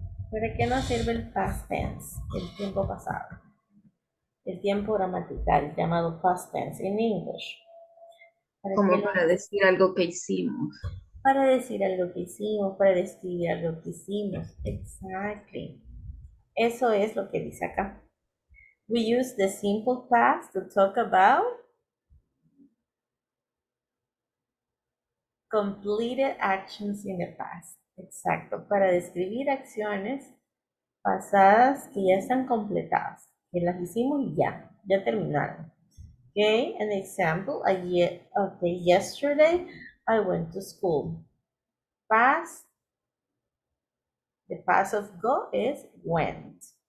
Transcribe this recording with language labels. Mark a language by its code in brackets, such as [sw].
[es] ¿Para qué nos sirve el past tense? El tiempo pasado. El tiempo gramatical llamado past tense en inglés. Como para decir algo que hicimos. Para decir algo que hicimos, para describir algo que hicimos. [en] Exactly. [es] Eso es lo que dice acá. [en] We use the simple past to talk about completed actions in the past. [es] Exacto. Para describir acciones pasadas que ya están completadas. Que las hicimos y ya. Ya terminaron. [en] Okay, an example. Yesterday I went to school. Past, the past of go is went.